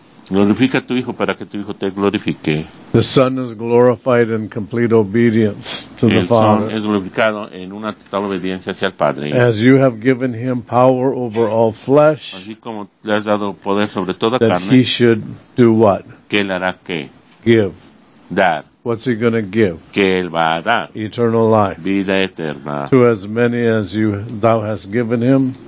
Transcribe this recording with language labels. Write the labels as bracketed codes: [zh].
[es] Glorifica a tu hijo para que tu hijo te glorifique. [en] The son is glorified in complete obedience to [es] el [en] the father. [es] Es glorificado en una total obediencia hacia el padre. [en] As you have given him power over all flesh. [es] Así como le has dado poder sobre toda [en] that [es] carne. [en] He should do what? [es] ¿Qué le hará qué? [en] Give. [es] Dar. [en] What's he going to give? [es] ¿Qué él va a dar? [en] Eternal life. [es] Vida eterna. [en] To as many as you thou hast given him.